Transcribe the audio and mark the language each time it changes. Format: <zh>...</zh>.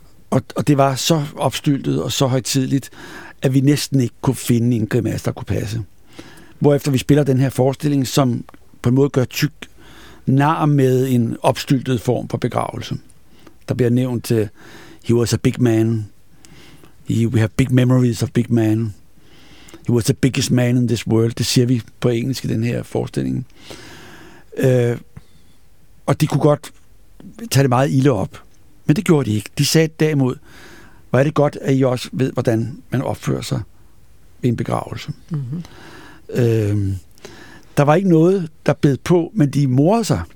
<da>Og det var så opstyltet og så højtidligt, at vi næsten ikke kunne finde en grimasse, der kunne passe. Hvorefter vi spiller den her forestilling, som på en måde gør tyk nar med en opstyltet form for begravelse. Der bliver nævnt,</da> <en>he was a big man. We have big memories of big man. He was the biggest man in this world.</en> <da>Det siger vi på engelsk i den her forestilling. Og de kunne godt tage det meget ilde op. Men det gjorde de ikke. De sagde derimod, hvor er det godt, at I også ved, hvordan man opfører sig ved en begravelse. Mm-hmm. Der var ikke noget, der bed på, men de morede sig.</da>